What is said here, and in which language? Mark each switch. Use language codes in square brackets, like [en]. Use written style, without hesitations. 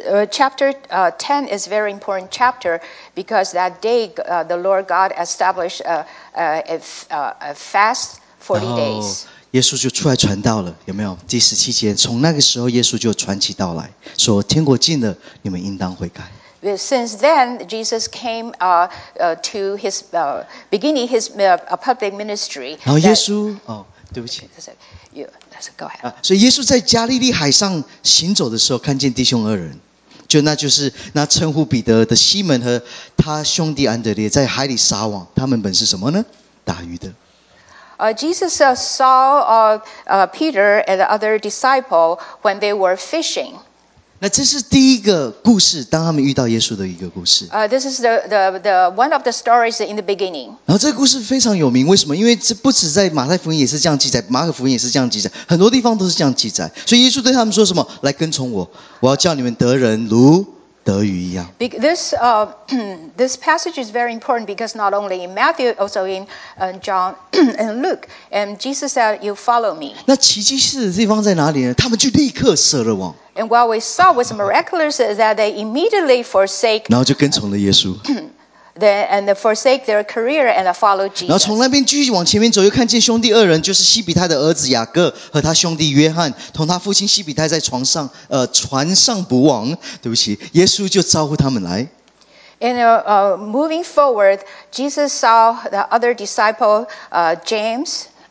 [en] Chapter 10 is a very important chapter because that day the Lord God established a fast 40 days. [zh] 耶稣就出来传道了，有没有？第十七节，从那个时候耶稣就传起道来，说天国近了，你们应当悔改。 [en] Since then, Jesus came to his beginning his public ministry. [zh] 然后耶稣对不起。 [en] Okay, go ahead. [zh] 所以耶稣在加利利海上行走的时候，看见弟兄二人，就是称呼彼得的西门和他兄弟安德烈在海里撒网，他们本是什么呢？打鱼的。 [en] Jesus saw Peter and the other disciple when they were fishing. [zh] 那这是第一个故事，当他们遇到耶稣的一个故事。 [en] This is the one of the stories in the beginning. [zh] 然后这个故事非常有名，为什么？因为这不止在马太福音也是这样记载，马可福音也是这样记载，很多地方都是这样记载。所以耶稣对他们说什么？来跟从我，我要叫你们得人如得鱼一样。 [en] This passage is very important because not only in Matthew, also in John and Luke, and Jesus said, "You follow me." [zh] 那奇迹式的地方在哪里呢？他们就立刻舍了网。 [en] And what we saw was miraculous is that they immediately forsake. [zh] 然后就跟从了耶稣。 [en] And forsake their career and follow Jesus. [zh] 然后从那边继续往前面走，又看见兄弟二人，就是西比泰的儿子雅各和他兄弟约翰，同他父亲西比泰在船上捕网。对不起，耶稣就招呼他们来。 [en] And moving forward, Jesus saw the other disciple, James.